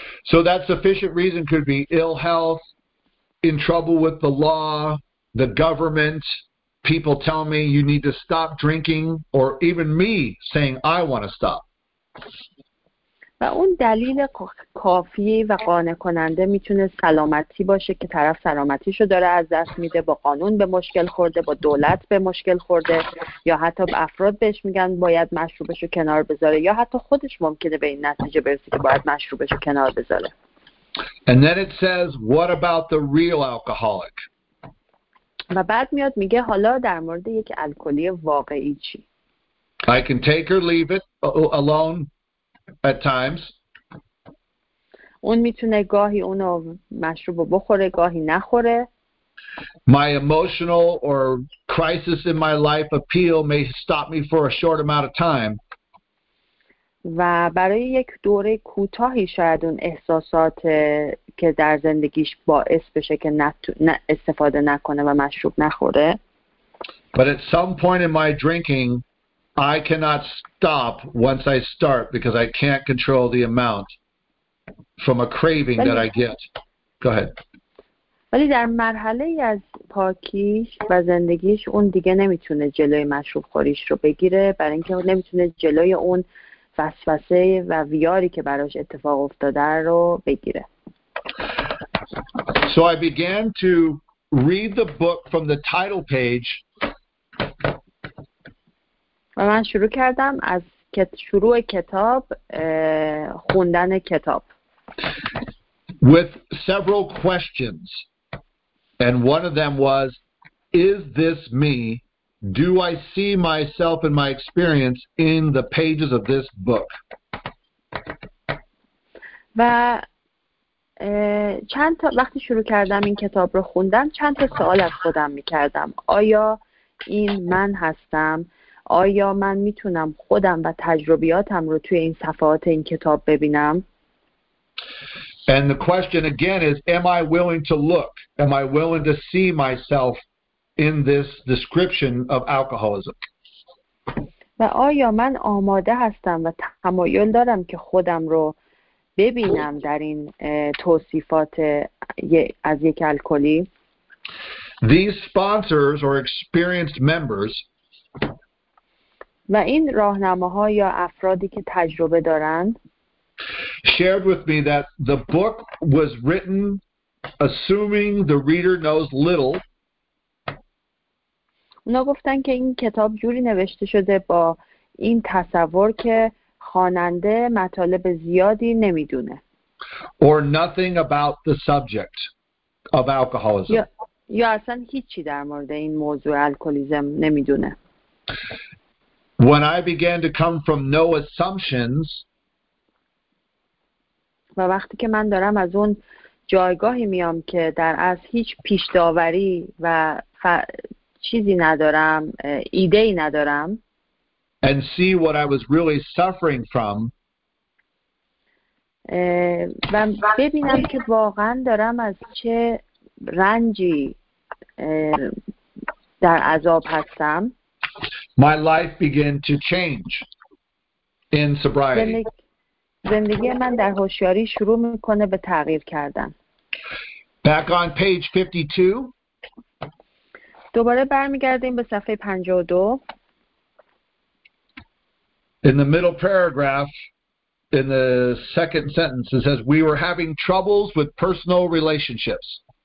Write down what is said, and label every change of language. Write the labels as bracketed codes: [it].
[en] So that sufficient reason could be ill health, in trouble with the law, the government, people tell me you need to stop drinking, or even me saying I want to stop. [fa] و اون دلیل کافی و قانع کننده میتونه سلامتی باشه که طرف سلامتیشو داره از دست میده، با قانون به مشکل خورده، با دولت به مشکل خورده، یا حتی به افراد بهش میگن باید مشروبشو کنار بذاره، یا حتی خودش ممکنه به این نتیجه برسه که باید مشروبشو کنار بذاره. [en] And then it says, what about the real alcoholic? [fa] و بعد میاد میگه حالا در مورد یک الکلی واقعی چی؟ [en] I can take or leave it alone. At times. [fa] اون میتونه گاهی اونو مشروب بخوره گاهی نخوره. [en] My emotional or crisis in my life appeal may stop me for a short amount of time. [fa] و برای یک دوره کوتاهی شاید اون احساسات که در زندگیش باعث بشه که استفاده نکنه و مشروب نخوره. [en] But at some point in my drinking I cannot stop once I start because I can't control the amount from a craving that I get. Go ahead. [fa] ولی در مرحله ای از پاکیش و زندگیش اون دیگه نمیتونه جلوی مشروب خوریش رو بگیره، برای اینکه نمیتونه جلوی اون وسوسه و ویاری که براش اتفاق افتاده رو بگیره. [en] So I began to read the book from the title page. [fa] و من شروع کردم از شروع کتاب خوندن کتاب. [en] With several questions. And one of them was, is this me? Do I see myself and my experience in the pages of this book? [fa] و چند تا وقتی شروع کردم این کتاب رو خوندن چند تا سوال از خودم می‌کردم. آیا این من هستم؟ آیا من میتونم خودم و تجربیاتم رو توی این صفحات این کتاب ببینم؟ [en] And the question again is, am I willing to look? Am I willing to see myself in this description of alcoholism? [fa] و آیا من آماده هستم و تمایل دارم که خودم رو ببینم در این توصیفات از یک الکلی؟ [en] These sponsors or experienced members [fa] و این راهنماها یا افرادی که تجربه دارند [en] shared with me that the book was written assuming the reader knows little. [fa] اونا گفتن که این کتاب جوری نوشته شده با این تصور که خواننده مطالب زیادی نمیدونه. [en] Or nothing about the subject of alcoholism. [fa] یا اصلا هیچی در مورد این موضوع الکلیسم نمیدونه. [en] When I began to come from no assumptions, [fa] و وقتی که من دارم از اون جایگاهی میام که در از هیچ پیش داوری و چیزی ندارم، ایده‌ای ندارم. [en] And see what I was really suffering from. [fa] و ببینم که واقعا دارم از چه رنجی در عذاب هستم. [en] My life began to change in sobriety. [fa] زندگی من در هوشیاری شروع میکنه به تغییر کردن. [en] Back on page 52. [fa] دوباره برمیگردیم به صفحه 52. [en] In the middle paragraph, in the second sentence, it says, we were having troubles with personal relationships.